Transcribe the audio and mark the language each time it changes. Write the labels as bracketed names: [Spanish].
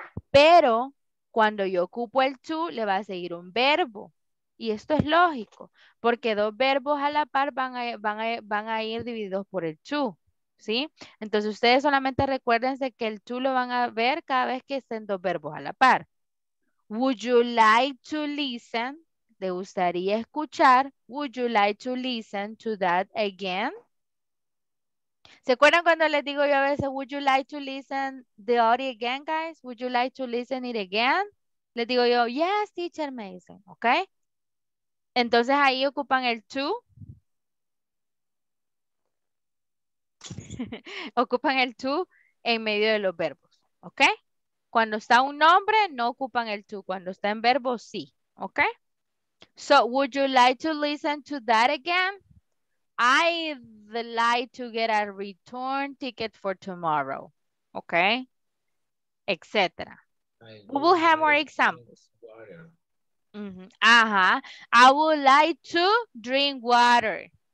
[Spanish] Pero cuando yo ocupo el to, le va a seguir un verbo. Y esto es lógico, porque dos verbos a la par van a ir divididos por el to, ¿sí? Entonces ustedes solamente recuérdense que el to lo van a ver cada vez que estén dos verbos a la par. [English] Would you like to listen? [Spanish] ¿Te gustaría escuchar? [English] Would you like to listen to that again? [Spanish] ¿Se acuerdan cuando les digo yo a veces, [English] would you like to listen the audio again, guys? Would you like to listen it again? [Spanish] Les digo yo, [English] yes, teacher, [Spanish] me dicen, [English] ¿ok? [Spanish] Entonces ahí ocupan el to. Ocupan el to en medio de los verbos, ¿ok? Cuando está un nombre, no ocupan el to. Cuando está en verbo, sí, ¿ok? [English] So, would you like to listen to that again? I'd like to get a return ticket for tomorrow. Okay? Etc. We will have more examples. I would like to drink water.